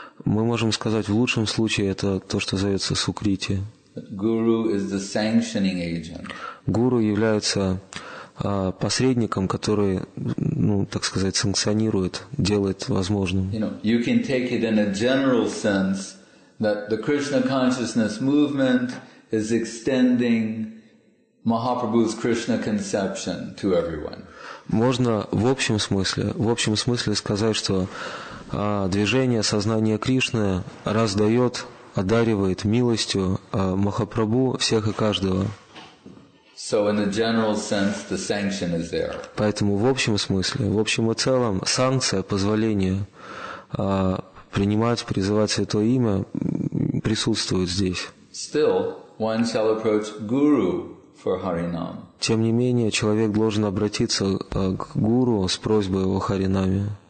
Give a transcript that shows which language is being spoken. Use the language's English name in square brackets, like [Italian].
[Russian] Мы можем сказать в лучшем случае это то, что называется сукрити. [English] Guru is the sanctioning agent. [Russian] Гуру является посредником, который, ну, так сказать, санкционирует, делает возможным. [English] You know, you can take it in a general sense that the Krishna consciousness movement is extending Mahaprabhu's Krishna conception to everyone. [Russian] Можно в общем смысле сказать, что движение сознания Кришны раздает, одаривает милостью Махапрабху всех и каждого. [English] So in a general sense, the sanction is there. [Russian] Поэтому в общем смысле, в общем и целом, санкция, позволение принимать, призывать Святое Имя присутствует здесь. [English] Still, one shall approach guru for harinam. [Russian] Тем не менее, человек должен обратиться к гуру с просьбой о харинаме.